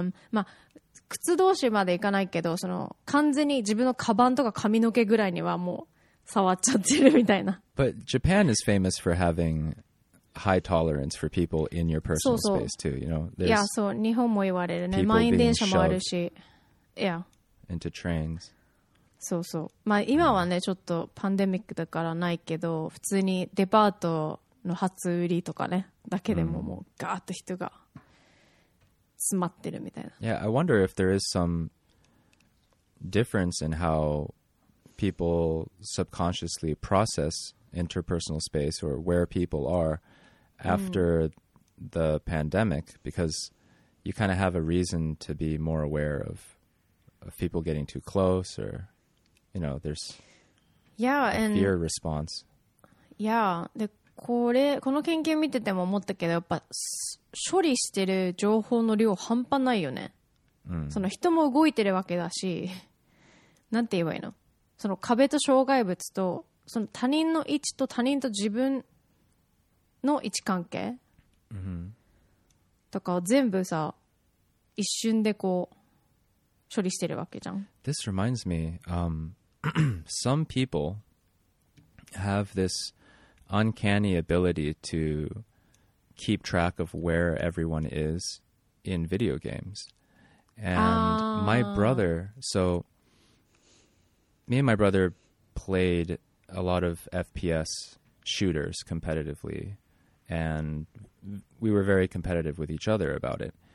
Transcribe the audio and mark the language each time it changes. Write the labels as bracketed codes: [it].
[ja] まあ、靴同士まで行かないけど、その完全に自分のカバンとか髪の毛ぐらいにはもう触っちゃってるみたいな。 [en] But Japan is famous for having high tolerance for people in your personal space too, you know? [ja] いや、そう、日本も言われるね。満員電車もあるし。Yeah. [en] Into trains. [ja] そうそう、まあ、今はねちょっとパンデミックだからないけど、普通にデパートの初売りとかねだけでももうガーッと人が詰まってるみたいな。 [en] Yeah, I wonder if there is some difference in how people subconsciously process interpersonal space or where people are after the pandemic, because you kind of have a reason to be more aware of people getting too close orYou know, there's a fear response. [ja] Yeah, で、これ、この研究見てても思ったけど、やっぱ処理してる情報の量半端ないよね。その人も動いてるわけだし、なんて言えばいいの？その壁と障害物と、その他人の位置と他人と自分の位置関係とかを全部さ、一瞬でこう、処理してるわけじゃん。 [en] This reminds me, some people have this uncanny ability to keep track of where everyone is in video games. And my brother, so me and my brother played a lot of FPS shooters competitively, and we were very competitive with each other about it.